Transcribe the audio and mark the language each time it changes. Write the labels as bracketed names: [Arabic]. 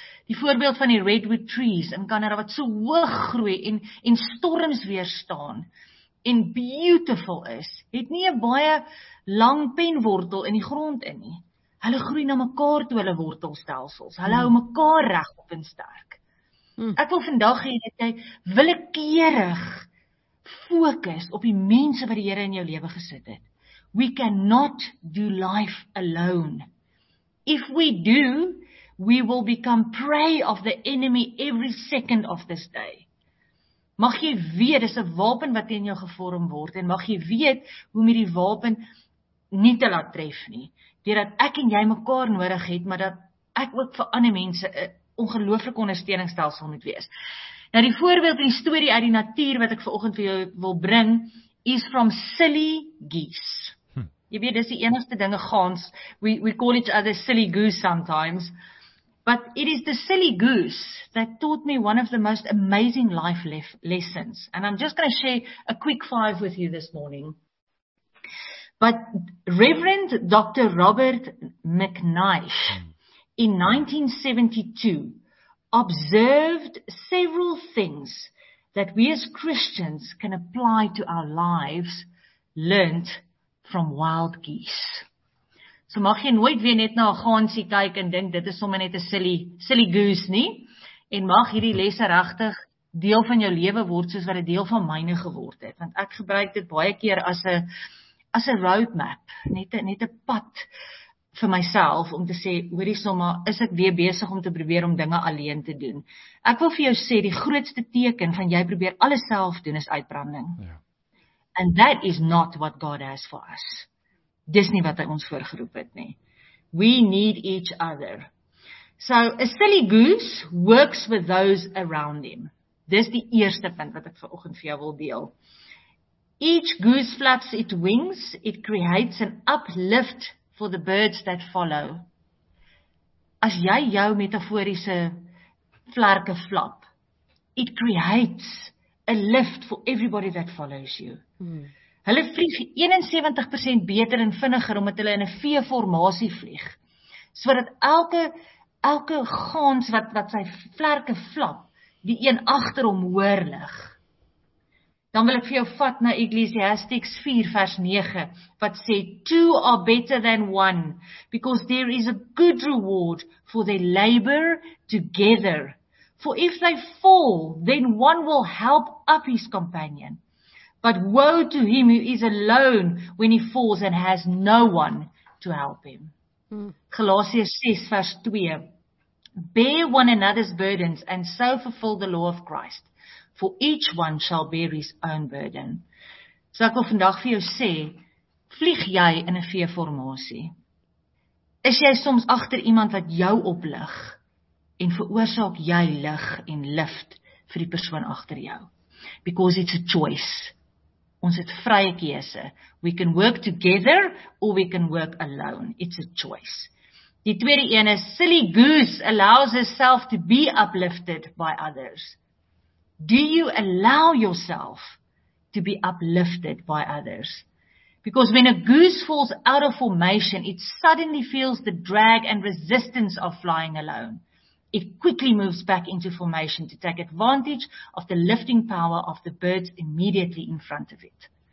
[Afrikaans] Die voorbeeld van die redwood trees in Kanada wat so hoog groei en storms weerstaan en beautiful is, het nie 'n baie lang penwortel in die grond in nie. Hulle groei na mekaar toe hulle wortelstelsels. Hulle hou mekaar reg op en sterk. Ek wil vandag hê dat jy willekeurig fokus op die mense wat die Here in jou lewe gesit het. [English] We cannot do life alone. If we do, we will become prey of the enemy every second of this day. [Afrikaans] Mag jy weet, dis 'n wapen wat teen jou gevorm word en mag jy weet hoe om hierdie wapen nie te laat tref nie. Dat ek en jy mekaar nodig het, maar dat ek ook vir ander mense 'n ongelooflike ondersteuningsstelsel moet wees. Nou die voorbeeld en die storie uit die natuur wat ek vanoggend vir jou wil bring, is [English] from silly geese. [Afrikaans] Jy weet, dis die enigste dinge gaans, [English] we call each other silly goose sometimes, but it is the silly goose that taught me one of the most amazing life lessons, and I'm just going to share a quick 5 with you this morning. But Reverend Dr. Robert McNeish, in 1972, observed several things that we as Christians can apply to our lives, learnt from wild geese. [Afrikaans] So mag jy nooit weer net na 'n gansie kyk en dink dit is sommer net 'n silly goose nie. En mag hierdie lesse regtig deel van jou lewe word soos wat dit deel van myne geword het. Want ek gebruik dit baie keer as 'n roadmap, net 'n pad vir myself om te sê, hoorie sommer, is ek weer besig om te probeer om dinge alleen te doen. Ek wil vir jou sê, die grootste teken van jy probeer alles self doen is uitbranding. Ja. [English] And that is not what God has for us. [Afrikaans] Dis nie wat hy ons voorgeroep het nie. [English] We need each other. So, a silly goose works with those around him. [Afrikaans] Dis die eerste punt wat ek vanoggend vir jou wil deel. [English] Each goose flaps its wings, it creates an uplift for the birds that follow. [Afrikaans] As jy jou metaforiese vlerke flap, [English] it creates a lift for everybody that follows you. [Afrikaans] Hulle vlieg 71% beter en vinniger omdat hulle in 'n V-formasie vlieg. Sodat elke gans wat sy vlerke flap, die een agter hom hoor lig. Dan wil ek vir jou vat na Ecclesiastes 4 vers 9 wat sê [English] two are better than one because there is a good reward for their labor together. For if they fall, then one will help up his companion. But woe to him who is alone when he falls and has no one to help him. Galatians 6 vers 2. Bear one another's burdens and so fulfill the law of Christ. For each one shall bear his own burden. [Afrikaans] So ek wil vandag vir jou sê, vlieg jy in 'n V-formasie? Is jy soms agter iemand wat jou oplig en veroorsaak jy lig en lift vir die persoon agter jou? [English] Because it's a choice. [Afrikaans] Ons het vrye keuse. [English] We can work together or we can work alone. It's a choice. [Afrikaans] Die tweede een is [English] silly goose allows herself to be uplifted by others. Do you allow yourself to be uplifted by others? Because when a goose falls out of formation, it suddenly feels the drag and resistance of flying alone. It quickly moves back into formation to take advantage of the lifting power of the birds immediately in front of it.